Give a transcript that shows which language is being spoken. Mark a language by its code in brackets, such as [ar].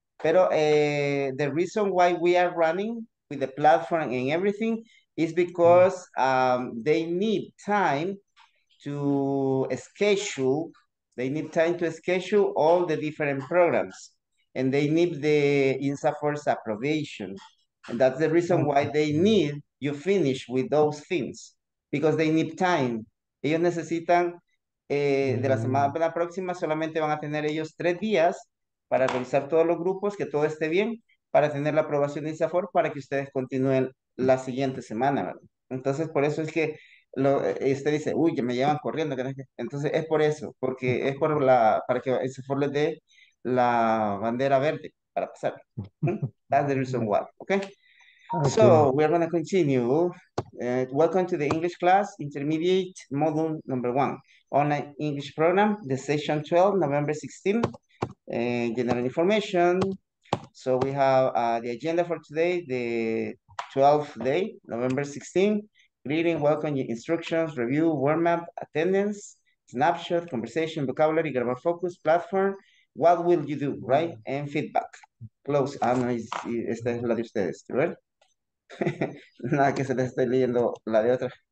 [es] Pero [en] the reason why we are running with the platform and everything is because they need time to schedule. They need time to schedule all the different programs. And they need the INSAFOR's approbation. And that's the reason why they need you finish with those things. Because they need time. [es] Ellos necesitan de la semana próxima solamente van a tener ellos 3 días para revisar todos los grupos, que todo esté bien, para tener la aprobación de ISSS para que ustedes continúen la siguiente semana, ¿verdad? Entonces, por eso es que usted dice, uy, ya me llevan corriendo. Entonces, es por eso, porque es por para que ISSS les dé la bandera verde para pasar. [en] That's the reason why, okay? Okay. So, we are going to continue. Welcome to the English class, intermediate module number one. Online English program, the session 12, November 16, general information. So we have the agenda for today, the 12th day, November 16. Greeting, welcome, instructions, review, warm up, attendance, snapshot, conversation, vocabulary, grammar focus, platform, what will you do, right? And feedback. Close. [es] Ah, no, esta es la de ustedes, ¿verdad? Nada que se les esté leyendo la de otra.